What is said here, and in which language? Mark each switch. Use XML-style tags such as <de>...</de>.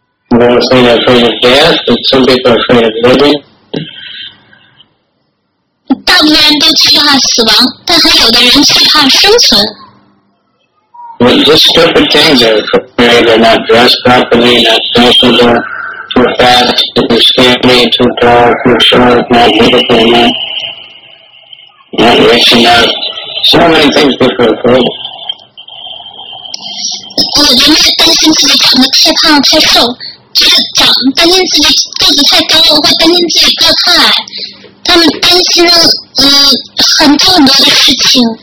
<en>Some people are afraid of death, but some people are afraid of living.</en> <zh>大部分人都惧怕死亡，但很有的人惧怕生存。</zh> <en>Well, just stupid things are afraid. They're not dressed properly, not sensible, too fat, too skinny, too tall, too short, not beautiful, not rich enough. So many things people are afraid.</en> <zh>人们担心自己长得太胖太瘦，就是长担心自己个子太高，或者担心自己个子太矮。他们担心很多很多的事情。</zh>